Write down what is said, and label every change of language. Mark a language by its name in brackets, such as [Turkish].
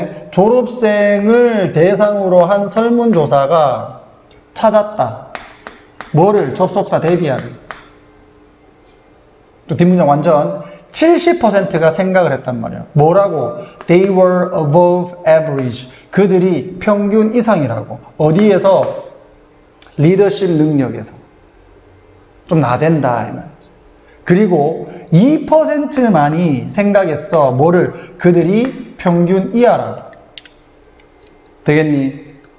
[Korean] 졸업생을 대상으로 한 설문조사가 찾았다. 뭐를? 접속사 대비하는. 또 뒷문장 완전 70%가 생각을 했단 말이야. 뭐라고? [English] They were above average. [Korean] 그들이 평균 이상이라고. 어디에서? 리더십 능력에서. 좀 나댄다. 그리고 2%만이 생각했어. 뭐를? 그들이 평균 이하라고. 되겠니?